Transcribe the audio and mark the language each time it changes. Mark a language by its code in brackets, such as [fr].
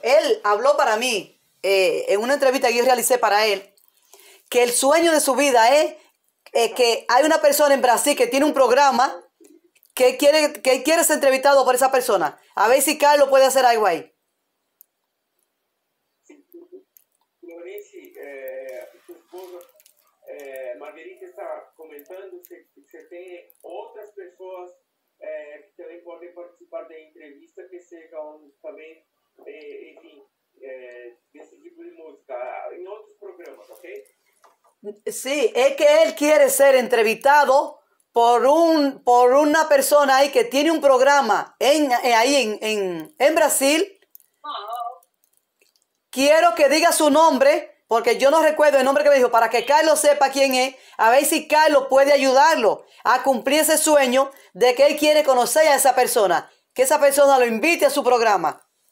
[es] Él habló para mí en una entrevista que yo realicé para él, que el sueño de su vida es que hay una persona en Brasil que tiene un programa que quiere ser entrevistado por esa persona. A ver si Carlos puede hacer algo ahí. Florence, tu esposa, Marguerite está comentando si tiene otras personas que [pt] também podem participar da entrevista, que seja onde também, enfim, desse tipo de música, em outros programas, ok? Sim, é que ele quer ser entrevistado por uma pessoa aí que tem um programa em Brasil. Quero que diga seu nome, porque [es] yo no recuerdo el nombre que me dijo, para que Carlos sepa quién es, a ver si Carlos puede ayudarlo a cumplir ese sueño de que él quiere conocer a esa persona, que esa persona lo invite a su programa.